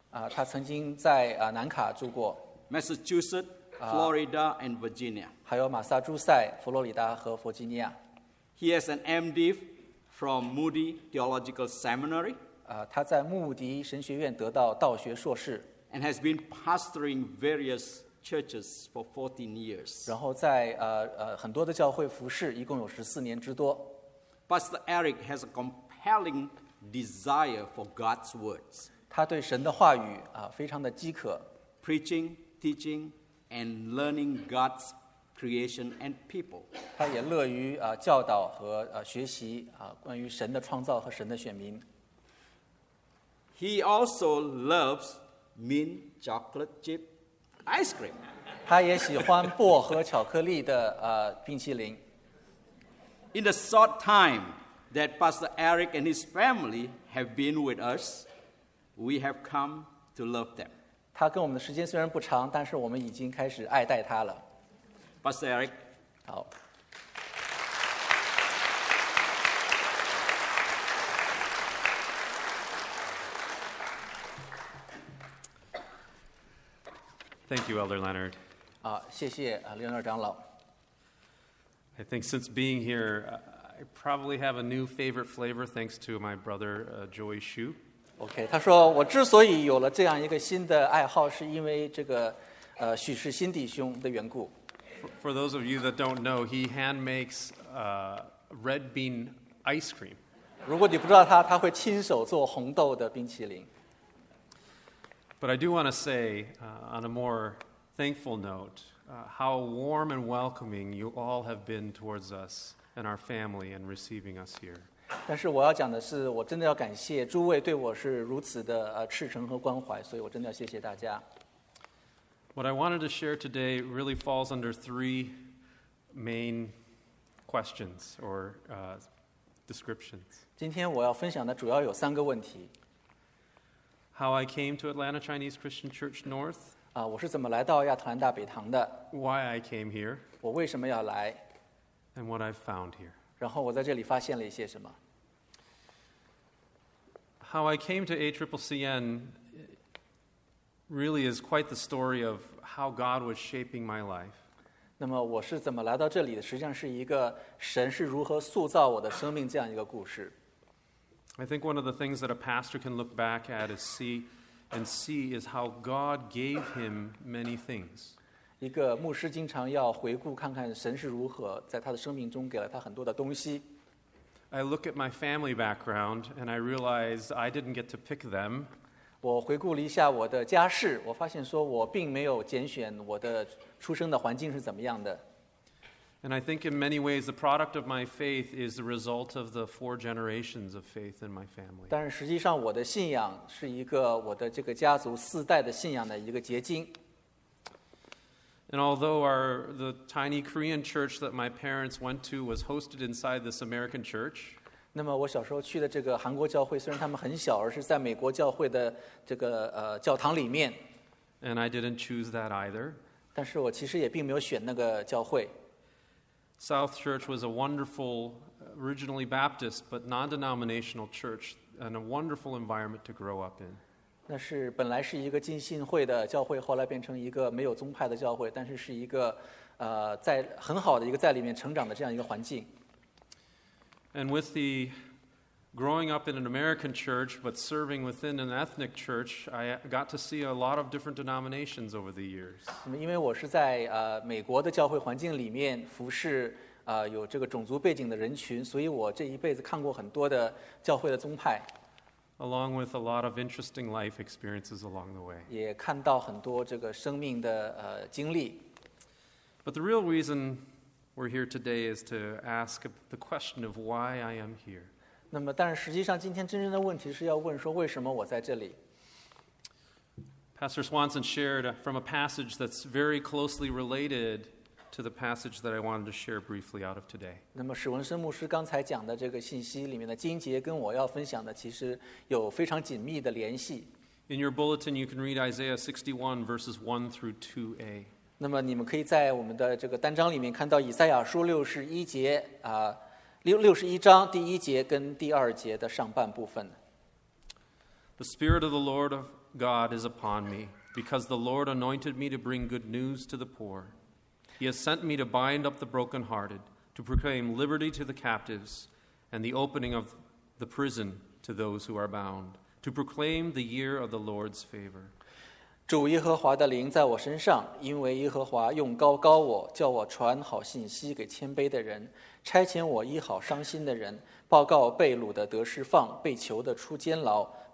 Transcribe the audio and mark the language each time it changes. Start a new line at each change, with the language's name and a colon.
Chinese: 他曾经在南卡住过。
English: Massachusetts, Florida, and Virginia.
Chinese: 还有马萨诸塞、佛罗里达和弗吉尼亚。
English: He has an MD from Moody Theological Seminary.
Chinese: 他在穆迪神学院得到道学硕士。
English: And has been pastoring various churches for 14 years.
Chinese: 然后在很多的教会服事，一共有十四年之多。
English: Pastor Eric has a compelling desire for God's words.
Chinese: 他对神的话语非常的饥渴。
English: Preaching, teaching, and learning God's creation and people.
Chinese: 他也乐于教导和学习关于神的创造和神的选民。
English: He also loves mint chocolate chip ice cream.
Chinese: 他也喜欢薄荷巧克力的冰淇淋。
English: In the short time that Pastor Eric and his family have been with us, we have come to love them.
Chinese: 他跟我们的时间虽然不长，但是我们已经开始爱戴他了。
English: Pastor Eric,
Chinese: 好。
English: Thank you, Elder Leonard.
Chinese: 谢谢刘元长老。
English: I think since being here, I probably have a new favorite flavor thanks to my brother, Joey Shu.
Chinese: Okay, 他说我之所以有了这样一个新的爱好，是因为这个许世新弟兄的缘故。
English: For those of you that don't know, he hand makes red bean ice cream.
Chinese: 如果你不知道他，他会亲手做红豆的冰淇淋。
English: But I do want to say, on a more thankful note, how warm and welcoming you all have been towards us and our family in receiving us here.
Chinese: 但是我要讲的是，我真的要感谢诸位对我是如此的赤诚和关怀，所以我真的要谢谢大家。
English: What I wanted to share today really falls under three main questions or descriptions.
Chinese: 今天我要分享的主要有三个问题。
English: How I came to Atlanta Chinese Christian Church North.
Chinese: 我是怎么来到亚特兰大北堂的。
English: Why I came here.
Chinese: 我为什么要来。
English: And what I've found here.
Chinese: 然后我在这里发现了一些什么。
English: How I came to ACCN really is quite the story of how God was shaping my life.
Chinese: 那么我是怎么来到这里的，实际上是一个神是如何塑造我的生命这样一个故事。
English: I think one of the things that a pastor can look back at is see is how God gave him many things.
Chinese: 一个牧师经常要回顾看看神是如何在他的生命中给了他很多的东西。
English: I look at my family background and I realize I didn't get to pick them.
Chinese: 我回顾了一下我的家世，我发现说我并没有拣选我的出生的环境是怎么样的。
English: And I think in many ways the product of my faith is the result of the four generations of faith in my family.
Chinese: 但实际上我的信仰是一个我的这个家族四代的信仰的一个结晶。
English: And although the tiny Korean church that my parents went to was hosted inside this American church,
Chinese: 那么我小时候去的这个韩国教会，虽然他们很小，而是在美国教会的这个教堂里面。
English: And I didn't choose that either.
Chinese: 但是我其实也并没有选那个教会。
English: South Church was a wonderful, originally Baptist, but non-denominational church, and a wonderful environment to grow up in.
Chinese: 那是本来是一个浸信会的教会，后来变成一个没有宗派的教会，但是是一个在很好的一个在里面成长的这样一个环境。
English: And with the growing up in an American church, but serving within an ethnic church, I got to see a lot of different denominations over the years.
Chinese: 因为我是在美国的教会环境里面服侍有这个种族背景的人群，所以我这一辈子看过很多的教会的宗派。
English: along with a lot of interesting life experiences along the way.
Chinese: 也看到很多这个生命的经历。
English: But the real reason we're here today is to ask the question of why I am here.
Chinese: 那么，但是实际上今天真正的问题是要问说为什么我在这里。
English: Pastor Swanson shared from a passage that's very closely related to the passage that I wanted to share briefly out of today.
Chinese: 那么史文生牧师刚才讲的这个信息里面的经节跟我要分享的其实有非常紧密的联系。
English: In your bulletin, you can read Isaiah 61 verses 1 through 2a.
Chinese: 那么你们可以在我们的这个单章里面看到以赛亚书61章第一节跟第二节的上半部分。
English: The Spirit of the Lord of God is upon me, because the Lord anointed me to bring good news to the poor. He has sent me to bind up the brokenhearted, to proclaim liberty to the captives, and the opening of the prison to those who are bound, to proclaim the year of the Lord's favor.
Chinese: 主耶和华的灵在我身上，因为耶和华用膏膏我，叫我传好信息给谦卑的人，差遣我医好伤心的人，报告被掳的得释放，被囚的出监牢。